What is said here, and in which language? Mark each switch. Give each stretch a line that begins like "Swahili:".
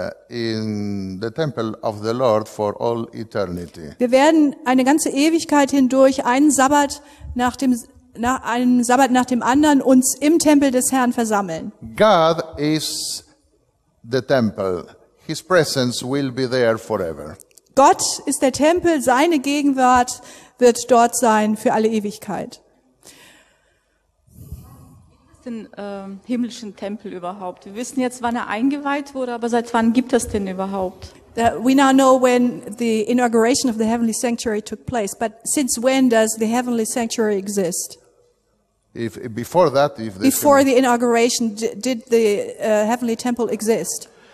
English: In the temple of the Lord for all eternity.
German: Wir werden eine ganze Ewigkeit hindurch einen Sabbat nach dem anderen uns im Tempel des Herrn versammeln.
English: God is the temple. His presence will be there forever.
German: Gott ist der Tempel, seine Gegenwart wird dort sein für alle Ewigkeit. Den himmlischen Tempel überhaupt. Wir wissen jetzt, wann er eingeweiht wurde, aber seit wann gibt es den überhaupt?
English: We now know when the inauguration of the heavenly sanctuary took place, but since when does the heavenly sanctuary exist? Before the inauguration, did the heavenly temple exist?